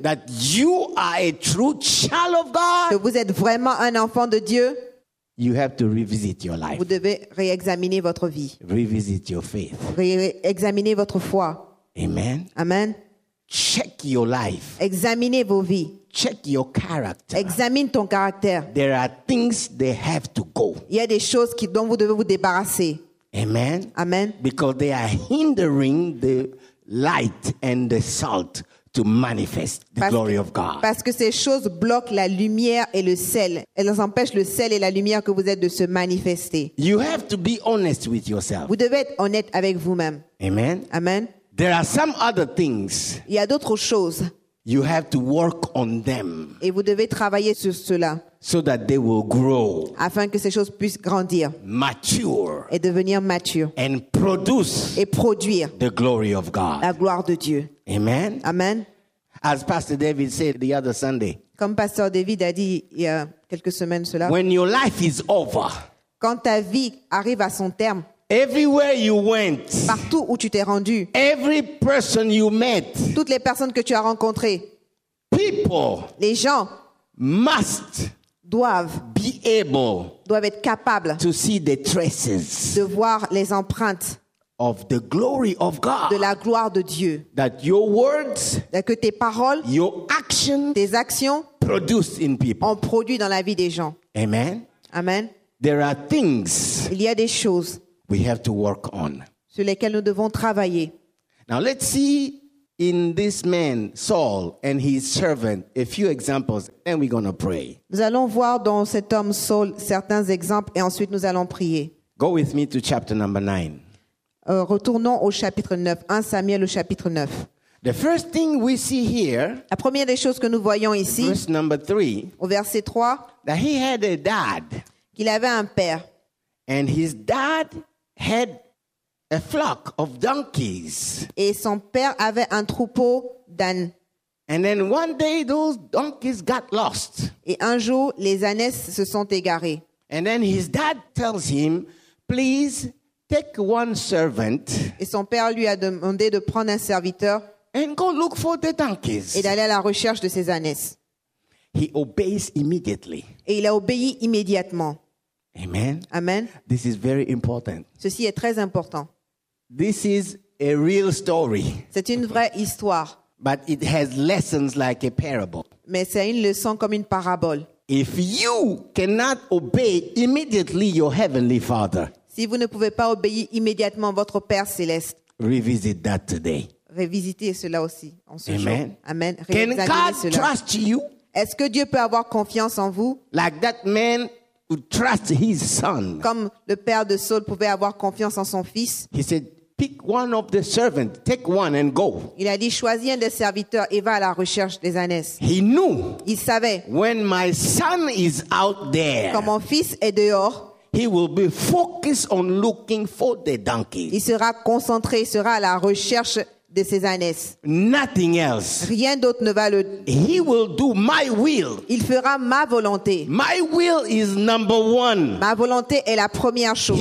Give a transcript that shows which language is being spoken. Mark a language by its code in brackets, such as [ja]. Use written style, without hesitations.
[en] that you are a true child of God, [fr] que vous êtes vraiment un enfant de Dieu, [en] you have to revisit your life. [fr] Vous devez réexaminer votre vie. [en] Revisit your faith. [fr] Réexaminer votre foi. [en] Amen. [fr] Amen. [en] Check your life. [fr] Examinez vos vies. [en] Check your character. [fr] Examine ton caractère. [en] There are things they have to go. [fr] Il y a des choses dont vous devez vous débarrasser. [en] Amen. [fr] Amen. [en] Because they are hindering the light and the salt to manifest the glory of God. [fr] Parce que ces choses bloquent la lumière et le sel. Elles empêchent le sel et la lumière que vous êtes de se manifester. [en] You have to be honest with yourself. [fr] Vous devez être honnête avec vous-même. [en] Amen. [fr] Amen. [en] There are some other things. [fr] Il y a d'autres choses. [en] You have to work on them. [fr] Et vous devez travailler sur cela. [en] So that they will grow. [fr] Afin que ces choses puissent grandir. [en] Mature. [fr] Et devenir mature. [en] And produce. [fr] Et produire. [en] The glory of God. [fr] La gloire de Dieu. [en] Amen. [fr] Amen. [en] As Pastor David said the other Sunday. [fr] Comme Pasteur David a dit il y a quelques semaines cela. [en] When your life is over. [fr] Quand ta vie arrive à son terme. [en] Everywhere you went. [fr] Partout où tu t'es rendu. [en] Every person you met. [fr] Toutes les personnes que tu as rencontrées. [en] People. [fr] Les gens. [en] Must. [fr] Doivent. [en] Be able. [fr] Doivent être capables. [en] To see the traces. [fr] De voir les empreintes. [en] Of the glory of God. [fr] De la gloire de Dieu. [en] That your words. [fr] Que tes paroles. [en] Your actions. [fr] Tes actions. [en] Produce in people. [fr] Ont produit dans la vie des gens. [en] Amen. [fr] Amen. [en] There are things. [fr] Il y a des choses. [en] We have to work on. [fr] Sur lesquels nous devons travailler. [en] Now let's see in this man Saul and his servant a few examples. Then we're going to pray. [fr] Nous allons voir dans cet homme Saul certains exemples et ensuite nous allons prier. [en] Go with me to chapter number 9. [fr] Retournons au chapitre 9, 1 Samuel au chapitre 9. [en] The first thing we see here. [fr] La première des choses que nous voyons ici. [en] Verse number 3. [fr] Au verset 3. [en] That he had a dad. [fr] Qu'il avait un père. [en] And his dad had a flock of donkeys. [fr] Et son père avait un troupeau d'ânes. [en] And then one day those donkeys got lost. [fr] Et un jour les ânes se sont égarés. [en] And then his dad tells him, please take one servant. [fr] Et son père lui a demandé de prendre un serviteur. [en] And go look for the donkeys. [fr] Et d'aller à la recherche de ces ânes. [en] He obeys immediately. [fr] Et il a obéi immédiatement. [en] Amen. [fr] Amen. [en] This is very important. [fr] Ceci est très important. [en] This is a real story. [fr] C'est une vraie histoire. [en] But it has lessons like a parable. [fr] Mais c'est une leçon comme une parabole. [en] If you cannot obey immediately your heavenly Father. [fr] Si vous ne pouvez pas obéir immédiatement votre Père céleste. [en] Revisit that today. [fr] Revisitez cela aussi en ce [en] Amen. [fr] Jour. Amen. [en] Can God [fr] cela. [en] Trust you? [fr] Est-ce que Dieu peut avoir confiance en vous? [en] Like that man who trust his son. [fr] Comme le père de Saul pouvait avoir confiance en son fils. [en] He said, pick one of the servants, take one and go. [fr] Il a dit, choisis un des serviteurs et va à la recherche des ânes. [en] He knew. [fr] Il savait. [en] When my son is out there. [fr] Quand mon fils est dehors. [en] He will be focused on looking for the donkey. [fr] Il sera concentré, sera à la recherche de ses ânes. [en] Nothing else. [fr] Rien d'autre ne va le. [en] He will do my will. [fr] Il fera ma volonté. [en] My will is number one. [fr] Ma volonté est la première chose.